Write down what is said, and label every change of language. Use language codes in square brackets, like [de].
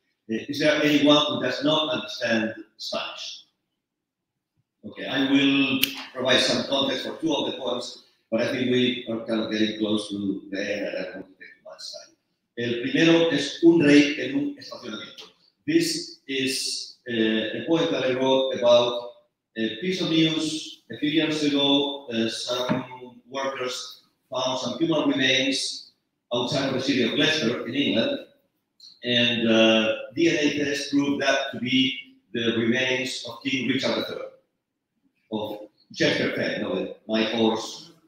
[en] Is there anyone who does not understand Spanish? Okay, I will provide some context for two of the poems. But I think we are kind of getting close to the end, and I won't take much time. [es] El primero es Un rey en un estacionamiento. [en] This is a poem that I wrote about a piece of news. A few years ago, some workers found some human remains outside of the city of Leicester in England, and DNA tests proved that to be the remains of King Richard III, of Chester Penn, no, my horse.